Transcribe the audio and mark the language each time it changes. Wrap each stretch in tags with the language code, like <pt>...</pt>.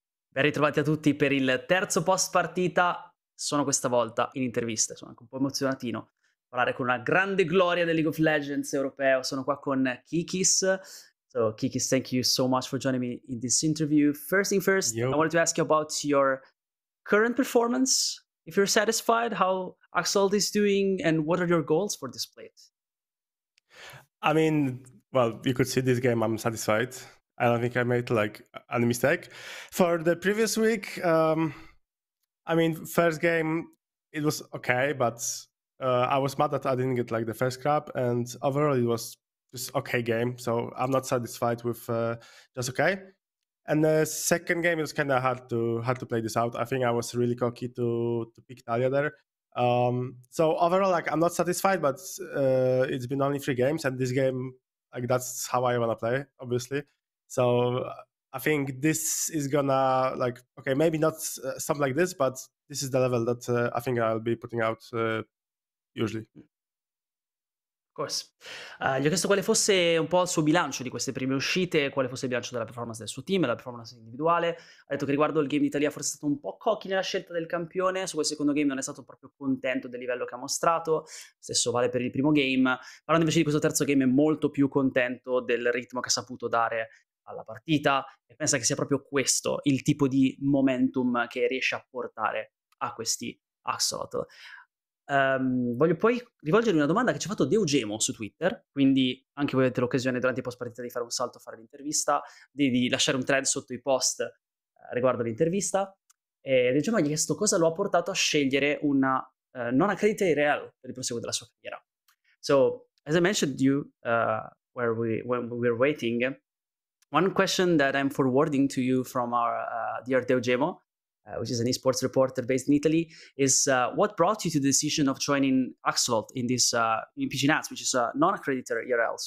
<it>Ben ritrovati a tutti per il terzo post partita. Sono questa volta in interviste, sono anche un po' emozionatino. Parlare con una grande gloria del League of Legends europeo. Sono qua con Kikis.</it> <en>So, Kikis, thank you so much for joining me in this interview. First thing first, Yo. I wanted to ask you about your current performance. If you're satisfied, how Axalt is doing and what are your goals for this plate? I mean, well, you could see this game, I'm satisfied. I don't think I made like any mistake. For the previous week, I mean, first game, it was okay, but I was mad that I didn't get like the first grab, and overall it was just okay game. So I'm not satisfied with just okay. And the second game, it was kind of hard to play this out. I think I was really cocky to pick Talia there. So overall, like, I'm not satisfied, but it's been only three games, and this game, like, that's how I want to play, obviously. So I think this is gonna, like, okay, maybe not something like this, but this is the level that I think I'll be putting out usually. Of course.</en> <it>Gli ho chiesto quale fosse un po' il suo bilancio di queste prime uscite, quale fosse il bilancio della performance del suo team, della performance individuale. Ha detto che riguardo il game d'Italia forse è stato un po' cocky nella scelta del campione, su quel secondo game non è stato proprio contento del livello che ha mostrato, stesso vale per il primo game. Parlando invece di questo terzo game, è molto più contento del ritmo che ha saputo dare alla partita e pensa che sia proprio questo il tipo di momentum che riesce a portare a questi Axolotl. Voglio poi rivolgermi una domanda che ci ha fatto Deugemo su Twitter, quindi anche voi avete l'occasione durante i post partita di fare un salto a fare l'intervista, di lasciare un thread sotto i post riguardo l'intervista, e Deugemo gli ha chiesto cosa lo ha portato a scegliere una non accredited IRL per il proseguo della sua carriera.</it> <en>So, as I mentioned you, when we were waiting, one question that I'm forwarding to you from our dear Deugemo, which is an esports reporter based in Italy, is what brought you to the decision of joining Axolotl in this in PG Nats, which is a non-accredited IRL.</en>